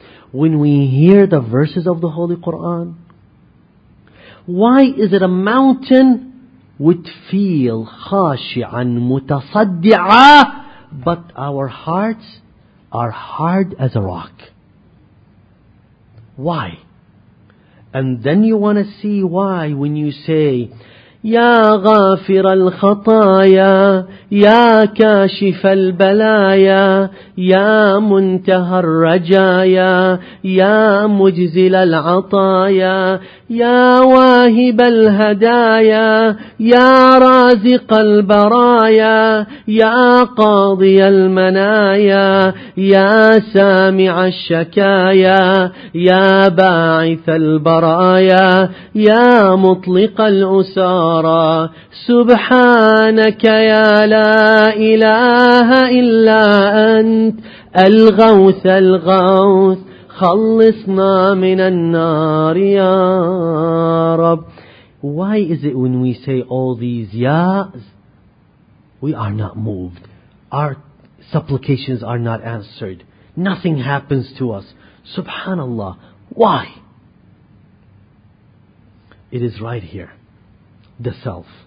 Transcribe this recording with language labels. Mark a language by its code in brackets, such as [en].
[en] When we hear the verses of the Holy Quran? Why is it a mountain would feel khashi'an mutasaddi'a, but our hearts are hard as a rock? Why? And then you want to see why when you say, [ar] يا غافر الخطايا يا كاشف البلايا يا منتهى الرجايا يا مجزل العطايا يا واهب الهدايا يا رازق البرايا يا قاضي المنايا يا سامع الشكايا يا باعث البرايا يا مطلق الأسار سبحانك يا لا إله إلا أنت الغوث الغوث خلصنا من النار يا رب. [en] Why is it when we say all these ya's we are not moved? Our supplications are not answered. Nothing happens to us. Subhanallah. Why? It is right here. The self.